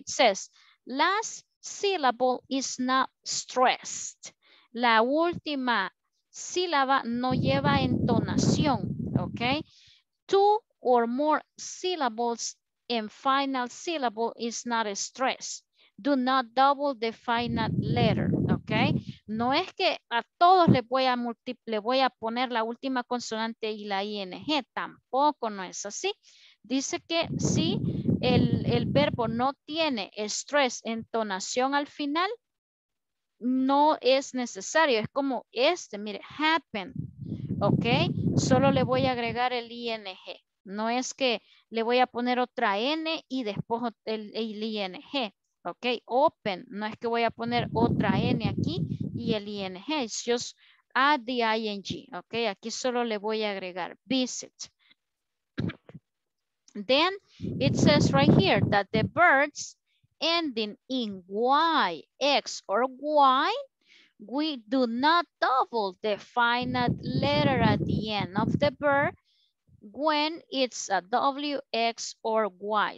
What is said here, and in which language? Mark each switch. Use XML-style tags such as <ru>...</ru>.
<en>It says last syllable is not stressed.</en> <es>La última sílaba no lleva entonación.</es> <en>Okay, two or more syllables and final syllable is not stressed. Do not double the final letter.</en> <es>Okay, no es que a todos les voy a poner la última consonante y la ing, tampoco no es así. Dice que si el verbo no tiene stress, entonación al final, no es necesario. Es como este, mire, happen. Ok, solo le voy a agregar el ing. No es que le voy a poner otra n y después el ing. Ok, open. No es que voy a poner otra n aquí y el ing.</es> <en>It's just add the ing.</en> <es>Ok, aquí solo le voy a agregar visit.</es> <en>Then it says right here that the birds ending in Y, X, or Y, we do not double the final letter at the end of the verb when it's a W, X, or Y.</en>